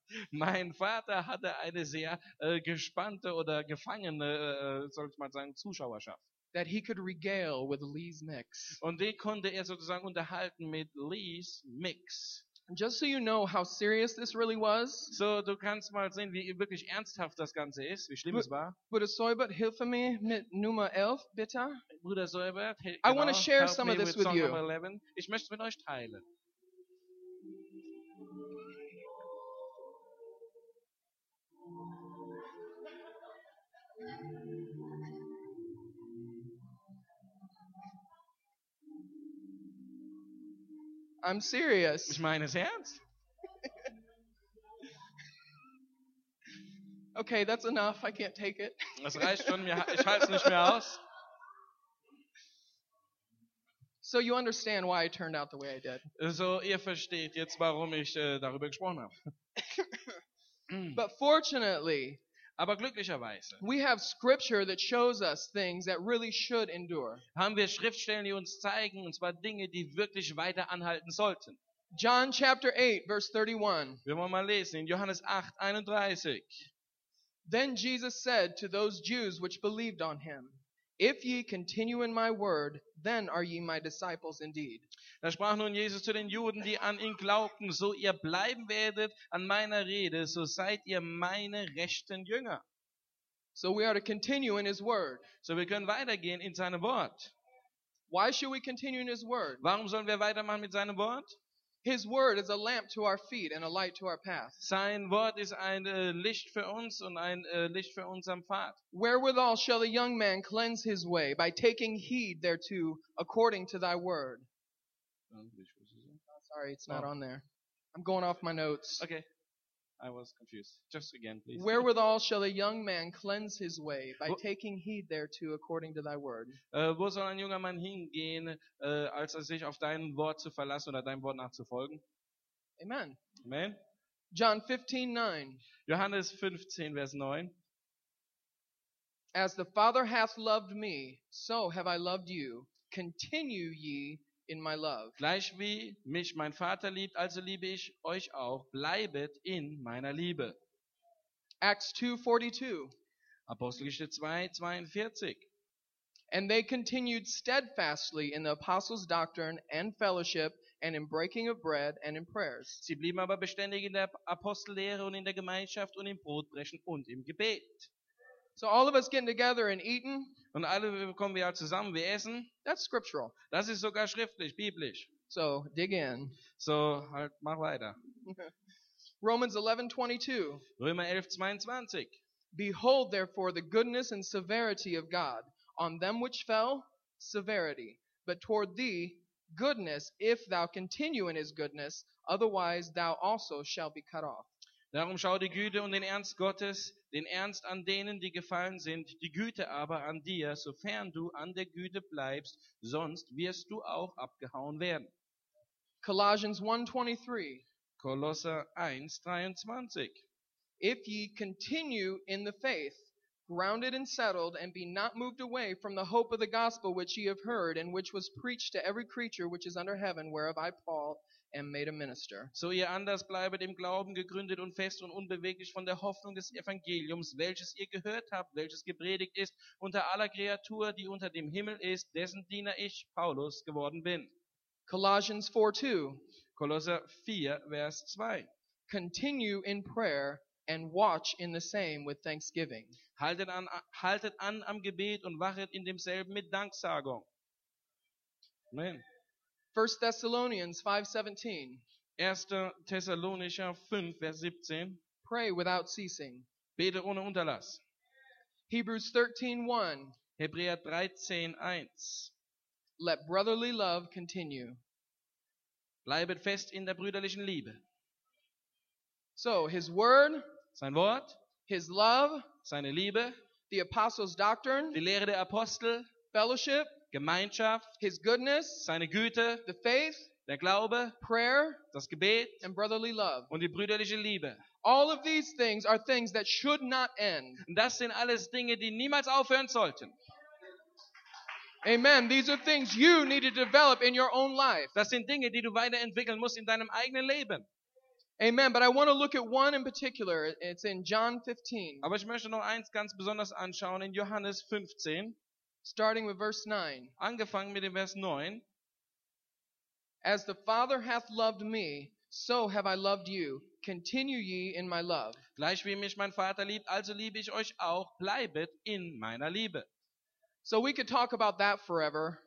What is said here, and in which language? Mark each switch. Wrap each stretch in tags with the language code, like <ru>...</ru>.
<de>Mein Vater hatte eine sehr gespannte oder gefangene, soll ich mal sagen, Zuschauerschaft.</de> <en>That he could regale with Lee's Mix.</en> <de>Und den konnte er sozusagen unterhalten mit Lee's Mix.</de> <en>Just so you know how serious this really was.</en> <de>So du kannst mal sehen, wie wirklich ernsthaft das Ganze ist, wie schlimm es war. Bruder Seubert, hilf mir mit Nummer 11, bitte. Bruder Seubert,</de> <en>I want to share some of this with you.</en> <de>Ich möchte mit euch teilen.</de> <en>I'm serious.</en> <de>Ich meine es ernst.</de> <en>Okay, that's enough. I can't take it.</en> <de>Das reicht schon. Ich halte es nicht mehr aus.</de> <en>So you understand why I turned out the way I did.</en> <de>So ihr versteht jetzt, warum ich darüber gesprochen habe.</de> <en>But fortunately,</en> <de>aber glücklicherweise,</de> <en>we have scripture that shows us things that really should endure.</en> <de>Haben wir Schriftstellen, die uns zeigen, und zwar Dinge, die wirklich weiter anhalten sollten.</de> <en>John chapter 8, verse 31.</en> <de>Wir wollen mal lesen, in Johannes 8, 31.</de> <en>Then Jesus said to those Jews which believed on him, if ye continue in my word, then are ye my disciples indeed.</en> <de>Da sprach nun Jesus zu den Juden, die an ihn glaubten, so ihr bleiben werdet an meiner Rede, so seid ihr meine rechten Jünger.</de> <en>So we are to continue in his word.</en> <de>So wir können weitergehen in seinem Wort.</de> <en>Why should we continue in his word?</en> <de>Warum sollen wir weitermachen mit seinem Wort?</de> <en>His word is a lamp to our feet and a light to our path.</en> <de>Sein Wort ist ein Licht für uns und ein Licht für unseren Pfad.</de> <en>Wherewithal shall the young man cleanse his way by taking heed thereto according to thy word. Oh, sorry, it's not on there. I'm going off my notes. Okay. I was confused. Just again, please. Wherewithal shall a young man cleanse his way by taking heed thereto according to thy word?</en> <de>Wo soll ein junger Mann hingehen, als er sich auf dein Wort zu verlassen oder deinem Wort nachzufolgen?</de> <en>Amen.</en> <de>Amen.</de> <en>John 15:9.</en> <de>Johannes 15, Vers 9.</de> <en>As the Father hath loved me, so have I loved you. Continue ye in my love.</en> <de>Gleich wie mich mein Vater liebt, also liebe ich euch auch. Bleibet in meiner Liebe.</de> <en>Acts 2:42.</en> <de>Apostelgeschichte 2:42.</de> <en>And they continued steadfastly in the apostles' doctrine and fellowship and in breaking of bread and in prayers.</en> <de>Sie blieben aber beständig in der Apostellehre und in der Gemeinschaft und im Brotbrechen und im Gebet.</de> <en>So all of us getting together and eating.</en> <de>Und alle kommen wir zusammen, wir essen.</de> <en>That's scriptural.</en> <de>Das ist sogar schriftlich, biblisch.</de> <en>So dig in.</en> <de>So halt, mach weiter.</de> <en>Romans 11:22.</en> <de>Römer 11:22.</de> <en>Behold therefore the goodness and severity of God. On them which fell, severity, but toward thee, goodness, if thou continue in his goodness, otherwise thou also shalt be cut off.</en> <de>Darum schau die Güte und den Ernst Gottes, den Ernst an denen, die gefallen sind, die Güte aber an dir, sofern du an der Güte bleibst, sonst wirst du auch abgehauen werden.</de> <en>Colossians 1:23.</en> <de>Kolosser 1:23.</de> <en>If ye continue in the faith, grounded and settled, and be not moved away from the hope of the gospel which ye have heard, and which was preached to every creature which is under heaven, whereof I, Paul, am made a minister.</en> <de>So ihr anders bleibet im Glauben gegründet und fest und unbeweglich von der Hoffnung des Evangeliums, welches ihr gehört habt, welches gepredigt ist unter aller Kreatur, die unter dem Himmel ist, dessen Diener ich, Paulus, geworden bin.</de> <en>Colossians 4:2.</en> <de>Kolosser 4, Vers 2.</de> <en>Continue in prayer, and watch in the same with thanksgiving.</en> <de>Haltet an am Gebet und wachet in demselben mit Danksagung. Amen.</de> <en>1 Thessalonians 5:17.</en> <de>1. Thessalonicher 5, Vers 17.</de> <en>Pray without ceasing.</en> <de>Bete ohne Unterlass.</de> <en>Hebrews 13:1.</en> <de>Hebräer 13:1.</de> <en>Let brotherly love continue.</en> <de>Bleibet fest in der brüderlichen Liebe.</de> <en>So, his word,</en> <de>sein Wort,</de> <en>his love,</en> <de>seine Liebe,</de> <en>the apostles' doctrine,</en> <de>die Lehre der Apostel,</de> <en>fellowship,</en> <de>Gemeinschaft,</de> <en>his goodness,</en> <de>seine Güte,</de> <en>the faith,</en> <de>der Glaube,</de> <en>prayer,</en> <de>das Gebet,</de> <en>and brotherly love,</en> <de>und die brüderliche Liebe.</de> <en>All of these things are things that should not end.</en> <de>Das sind alles Dinge, die niemals aufhören sollten. Amen.</de> <en>These are things you need to develop in your own life.</en> <de>Das sind Dinge, die du weiterentwickeln musst in deinem eigenen Leben. Amen.</de> <en>But I want to look at one in particular. It's in John 15.</en> <de>Aber ich möchte noch eins ganz besonders anschauen in Johannes 15.</de> <en>Starting with verse 9.</en> <de>Angefangen mit dem Vers 9.</de> <en>As the Father hath loved me, so have I loved you. Continue ye in my love.</en> <de>Gleich wie mich mein Vater liebt, also liebe ich euch auch. Bleibet in meiner Liebe.</de> <en>So we could talk about that forever.</en>